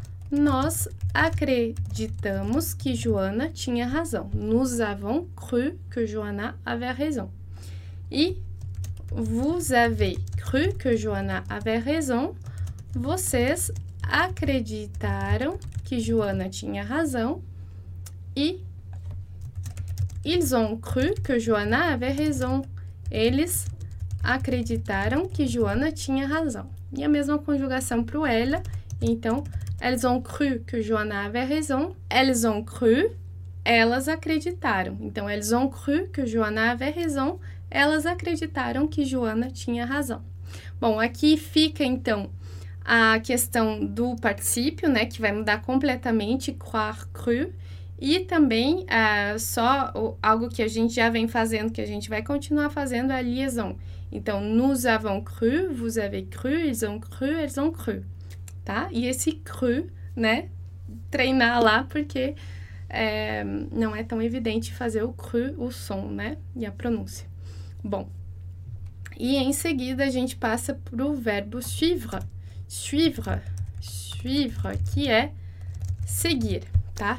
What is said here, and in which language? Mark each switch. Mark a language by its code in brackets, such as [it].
[pt] Nós acreditamos que Joanna tinha razão. [fr] Nous avons cru que Joanna avait raison. E vous avez cru que Joanna avait raison. [pt] Vocês acreditaram que Joanna tinha razão. [fr] E ils ont cru que Joanna avait raison. [pt] Eles acreditaram que Joanna tinha razão. E a mesma conjugação para o elle. [fr] Então, elles ont cru que Joanna avait raison. Elles ont cru, [pt] elas acreditaram. Então, [fr] elles ont cru que Joanna avait raison. [pt] Elas acreditaram que Joanna tinha razão. Bom, aqui fica então a questão do particípio, né, que vai mudar completamente, croire, cru. E também, só algo que a gente já vem fazendo, que a gente vai continuar fazendo, é a liaison. Então, [fr] nous avons cru, vous avez cru, ils ont cru, elles ont cru. [pt] Tá? E esse cru, né? Treinar lá, porque não é tão evidente fazer o cru, o som, né? E a pronúncia. Bom, e em seguida a gente passa para o verbo suivre. Suivre, suivre, que é seguir. Tá?